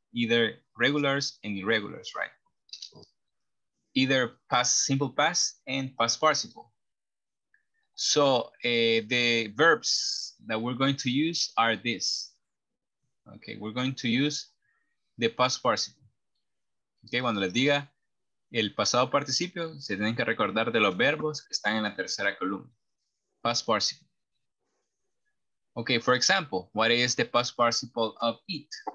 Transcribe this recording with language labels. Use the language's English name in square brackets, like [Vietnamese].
[English] Either regulars and irregulars, right? Either past simple past and past participle. So the verbs that we're going to use are this. Okay, we're going to use the past participle. [Spanish] Okay, cuando les diga el pasado participio, se tienen que recordar de los verbos que están en la tercera columna. [English] Past participle. Okay, for example, what is the past participle of eat?